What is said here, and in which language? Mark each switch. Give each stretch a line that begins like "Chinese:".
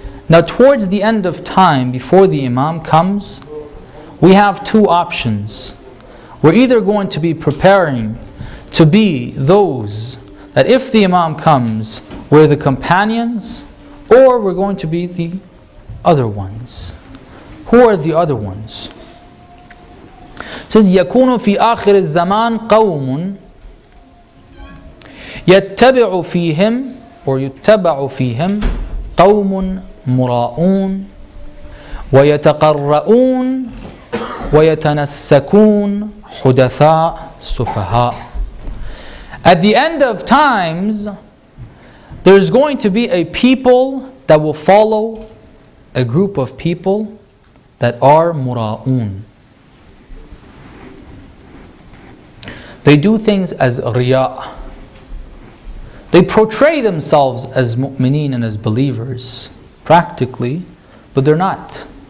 English: Now towards the end of time, before the Imam comes, we have two options. We're either going to be preparing to be those that if the Imam comes, we're the companions, or we're going to be the other ones. Who are the other ones? It says,
Arabic: يَكُونُ فِي آخِرِ الزَّمَانِ قَوْمٌ يَتَّبِعُ فِيهِمْ or يُتَّبَعُ فِيهِمْ قَوْمٌ مراؤون ويتقرؤون ويتنسكون حدثاء سفهاء.
English: At the end of times, there's going to be a people that will follow a group of people that are muraun. They do things as riya. They portray themselves as mu'mineen and as believers practically, but they're not.